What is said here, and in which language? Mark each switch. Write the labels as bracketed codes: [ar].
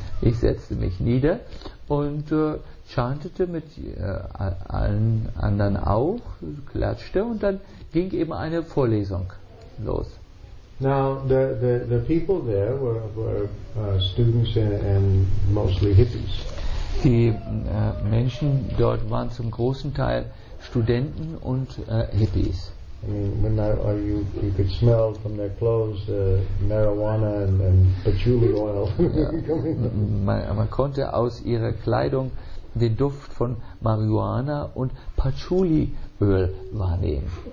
[de] Ich setzte mich nieder und chantete mit allen anderen auch, klatschte, und dann ging eben eine Vorlesung los. [en] Now the people there were students and mostly hippies. [de] Die Menschen dort waren zum großen Teil Studenten und Hippies. [en] You could smell from their clothes marijuana and patchouli oil. [de] man konnte aus ihrer Kleidung den Duft von Marihuana und Patchouli Öl wahrnehmen.